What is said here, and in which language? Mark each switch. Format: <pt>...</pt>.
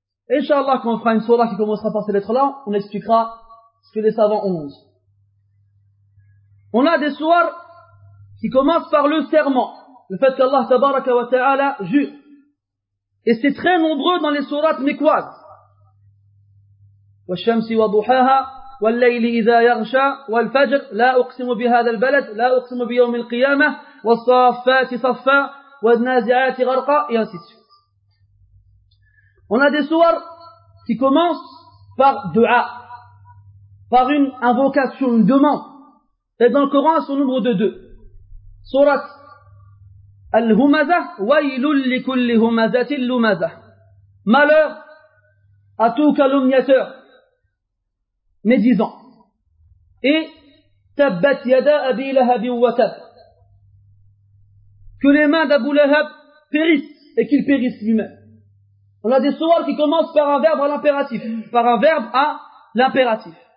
<fr>Inch'Allah, quand on fera une surah qui commencera par ces lettres-là, on expliquera ce que les savants ont dit. On a des surahs qui commencent par le serment, le fait qu'Allah tabaraka wa ta'ala jure. Et c'est très nombreux dans les surahs mécoises.</fr> <ar>والشمس وضحاها والليل إذا يغشى والفجر لا أقسم بهذا البلد لا أقسم بيوم القيامة والصافات صفا والنازعات غرقا</ar> <fr>et ainsi de suite. On a des sourates qui commencent par dua, par une invocation, une demande. Et dans le Coran, c'est au nombre de deux.</fr> <ar>Sourate Al-Humaza, وَيْلٌ لِكُلِّ هُمَزَةِ اللُّمَزَةِ.</ar> <fr>Malheur à tout calomniateur médisant.</fr> <ar>Et tabbat yada abi lahabin wa tab.</ar> <fr>Que les mains d'Abu Lahab périssent et qu'il périsse lui-même. On a des sourates qui commencent par un verbe à l'impératif. Par un verbe à l'impératif.</fr>